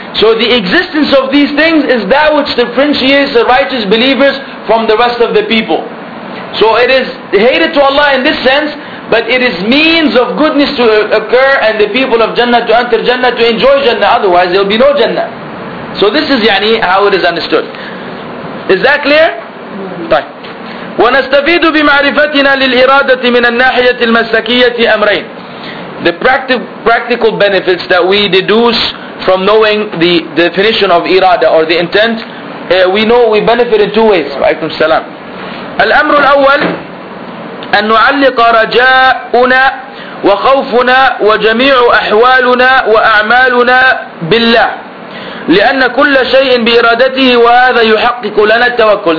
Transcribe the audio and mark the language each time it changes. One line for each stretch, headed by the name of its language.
English: So the existence of these things is that which differentiates the righteous believers from the rest of the people. So it is hated to Allah in this sense, but it is means of goodness to occur and the people of Jannah to enter Jannah, to enjoy Jannah, otherwise there will be no Jannah. So this is yani how it is understood. Is that clear? Fine.
Arabic: ونستفيد بمعرفتنا للإرادة من الناحية المسلكية أمرين.
English: The practical benefits that we deduce from knowing the definition of irada or the intent, we know we benefit in two ways.
Arabic: وعليكم السلام. الأمر الأول أن نعلق رجاؤنا وخوفنا وجميع أحوالنا وأعمالنا بالله لأن كل شيء بإرادته وهذا يحقق لنا التوكل.